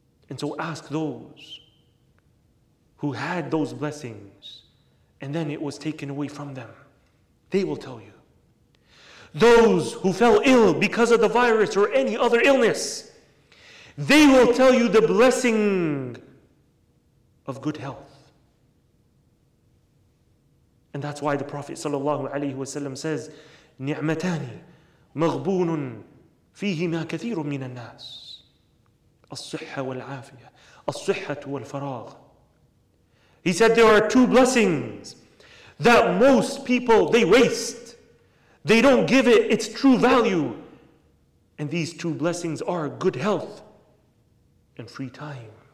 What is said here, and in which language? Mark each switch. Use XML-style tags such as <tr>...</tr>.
<en>And so ask those who had those blessings and then it was taken away from them. They will tell you. Those who fell ill because of the virus or any other illness, they will tell you the blessing of good health. And that's why the Prophet sallallahu alaihi wasallam says,</en> <ar>نِعْمَتَانِ مَغْبُونٌ فِيهِمَا كَثِيرٌ مِّنَ النَّاسِ الصِّحَّةُ وَالْعَافِيَةُ الصِّحَّةُ وَالْفَرَاغُ.</ar> <en>He said there are two blessings that most people, they waste. They don't give it its true value. And these two blessings are good health and free time.</en>